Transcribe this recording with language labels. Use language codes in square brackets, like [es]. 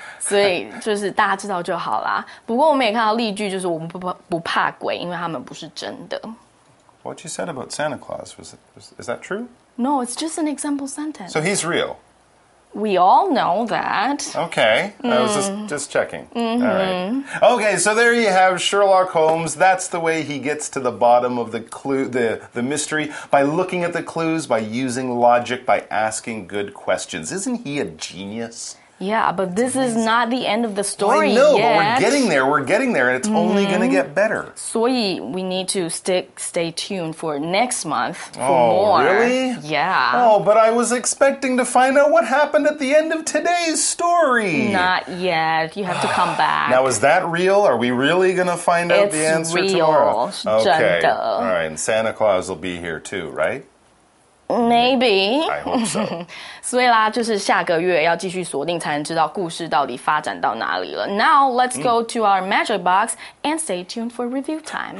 [zh] 所以就是大家知道就好啦。不过我们也看到例句就是我们不怕鬼，因为他们不是真的。 [en] What you said about Santa Claus, is that true? No, it's just an example sentence. So he's real? We all know that. Okay, I was just checking. All right. Okay, so there you have Sherlock Holmes. That's the way he gets to the bottom of the clue, the mystery, by looking at the clues, by using logic, by asking good questions. Isn't he a genius? Yeah, but this is not the end of the story yet. Well, I know, but we're getting there, and it's only going to get better. So we need to stay tuned for next month for more. Oh, really? Yeah. Oh, but I was expecting to find out what happened at the end of today's story. Not yet. You have to come back. Now, is that real? Are we really going to find out the answer tomorrow? It's real. Okay. 真的. All right, and Santa Claus will be here too, right? Maybe. I hope so. [zh] 所以啦，就是下个月要继续锁定，才能知道故事到底发展到哪里了。 [en] Now, let's go to our magic box and stay tuned for review time.